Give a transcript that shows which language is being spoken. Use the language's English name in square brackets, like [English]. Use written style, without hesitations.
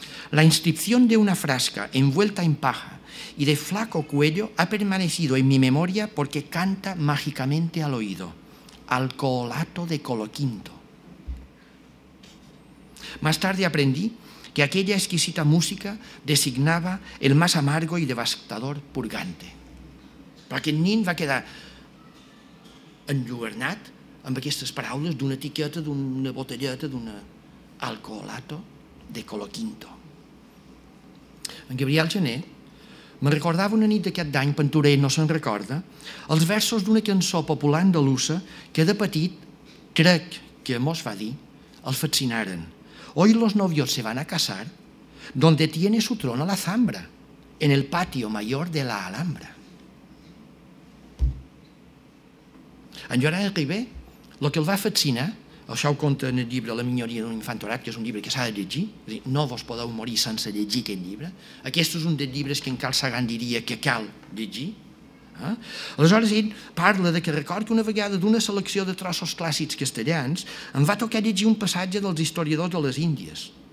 [Spanish] La inscripción de una frasca envuelta en paja y de flaco cuello ha permanecido en mi memoria porque canta mágicamente al oído. Alcoholato de Coloquinto. Más tarde aprendí que aquella exquisita música designaba el más amargo y devastador purgante. [Catalan] Però aquest nin va quedar enlluernat amb aquestes paraules d'una etiqueta, d'una botelleta, d'un alcoholato de Coloquinto. En Gabriel Gené me recordava una nit d'aquest any, Panturell no se'n recorda, els versos d'una cançó popular andalusa que de petit, crec que mos va dir, els fascinaren. [Spanish] Hoy los novios se van a casar donde tiene su trono la zambra, en el patio mayor de la Alhambra. [Catalan] En Joan Ribé, el que el va fascinar, això ho conta en el llibre La minyoria d'un infant orat, que és un llibre que s'ha de llegir, és a dir, no vos podeu morir sense llegir aquest llibre, aquest és un dels llibres que en Carl Sagan diria que cal llegir. Aleshores ell parla de que recordo una vegada d'una selecció de trossos clàssics castellans em va tocar llegir un passatge dels historiadors de les Índies.